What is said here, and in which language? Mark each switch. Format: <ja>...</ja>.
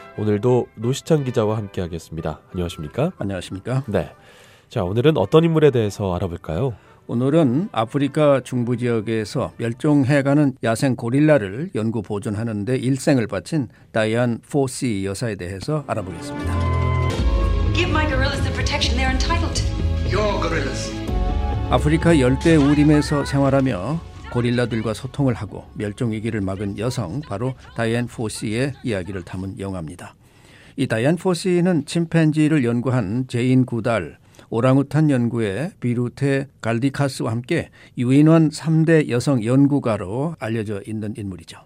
<ko>오늘도 노시찬 기자와 함께하겠습니다. 안녕하십니까? 안녕하십니까? 네. 자, 오늘은 어떤 인물에 대해서 알아볼까요? 오늘은 아프리카 중부 지역에서 멸종해가는 야생 고릴라를 연구 보존하는 데 일생을 바친 다이안 포시 여사에 대해서 알아보겠습니다.</ko> <en>Give my gorillas the protection they're entitled to. Your gorillas.</en> <ko>아프리카 열대 우림에서 생활하며 고릴라들과 소통을 하고 멸종 위기를 막은 여성, 바로 다이안 포시의 이야기를 담은 영화입니다. 이 다이안 포시는 침팬지를 연구한 제인 구달, 오랑우탄 연구의 비루테 갈디카스와 함께 유인원 3대 여성 연구가로 알려져 있는 인물이죠.</ko>